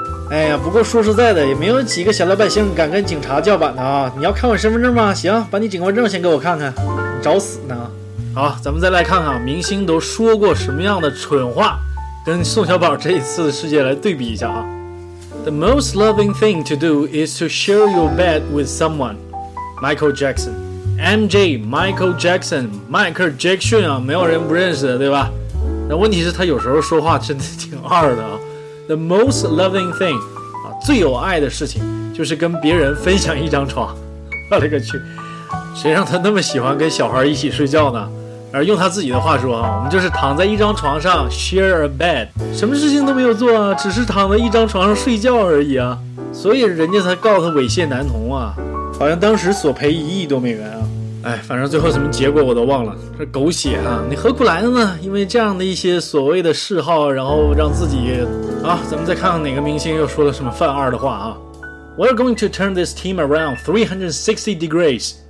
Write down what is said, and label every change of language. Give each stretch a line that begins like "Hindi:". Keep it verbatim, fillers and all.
Chinese: 哎呀，不过说实在的，也没有几个小老百姓敢跟警察叫板的啊！你要看我身份证吗？行，把你警官证先给我看看，你找死呢！好，咱们再来看看明星都说过什么样的蠢话，跟宋小宝这一次的事件来对比一下啊。
English: The most loving thing to do is to share your bed with someone.
Chinese: Michael Jackson, エム ジェイ, Michael Jackson, Michael Jackson 啊，没有人不认识的，对吧？那问题是，他有时候说话真的挺二的啊。
English: The most loving thing
Chinese: 啊，最有爱的事情就是跟别人分享一张床。我勒个去，谁让他那么喜欢跟小孩一起睡觉呢？而用他自己的话说啊，我们就是躺在一张床上
English: share a bed，
Chinese: 什么事情都没有做啊，只是躺在一张床上睡觉而已啊。所以人家才告他猥亵男童啊，好像当时索赔一亿多美元啊。哎，反正最后什么结果我都忘了，这狗血啊！你何苦来的呢？因为这样的一些所谓的嗜好，然后让自己啊，咱们再看看哪个明星又说了什么犯二的话啊。
English: We're going to turn this team around three hundred sixty degrees.